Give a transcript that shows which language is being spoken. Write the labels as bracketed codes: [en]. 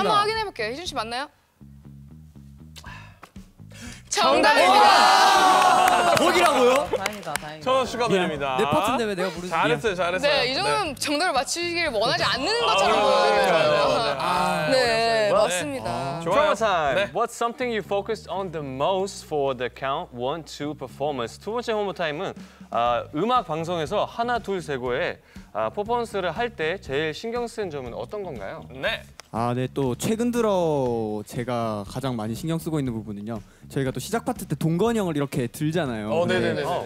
[ko] 한번 확인해볼게요. 희준 씨 맞나요? 정답입니다! 거기라고요? 다행이다, 다행이다. 천원 축하드립니다. 내 파트인데 왜 내가 부르지? 잘했어요, 잘했어요. 네, 이 정도면 네. 정답을 맞추시길 원하지 않는 것처럼 보여요. 네, 맞습니다. 좋아요. [en] What's something you focused on the most for the count 1, 2 performance? [ko] 두 번째 홈모 타임은 음악 방송에서 하나, 둘, 세 고에 퍼포먼스를 할 때 제일 신경 쓰는 점은 어떤 건가요? 네. 아, 네. 또 최근 들어 제가 가장 많이 신경 쓰고 있는 부분은요. 저희가 또 시작 파트 때 동건이 형을 이렇게 들잖아요. 네네네.